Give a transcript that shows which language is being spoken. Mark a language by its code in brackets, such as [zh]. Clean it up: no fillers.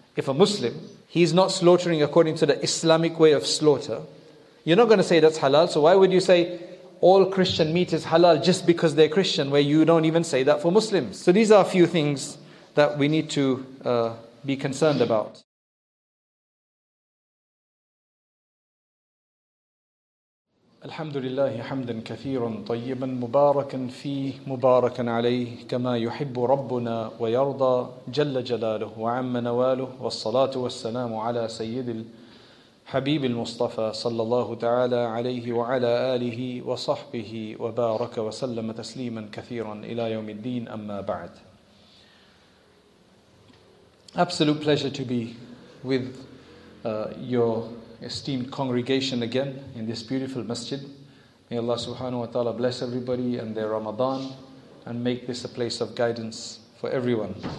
[en] If a Muslim, he's not slaughtering according to the Islamic way of slaughter, you're not going to say that's halal. So why would you say all Christian meat is halal just because they're Christian, where you don't even say that for Muslims? So these are a few things that we need to be concerned about. [ar] الحمد لله حمدا كثيرا طيبا مباركا فيه مباركا عليه كما يحب ربنا ويرضى جل جلاله وعم نواله والصلاة والسلام على سيد الحبيب المصطفى صلى الله تعالى عليه وعلى آله وصحبه وبارك وسلم تسليما كثيرا إلى يوم الدين أما بعد. [en] Absolute pleasure to be with your esteemed congregation again in this beautiful masjid. May Allah subhanahu wa ta'ala bless everybody and their Ramadan and make this a place of guidance for everyone.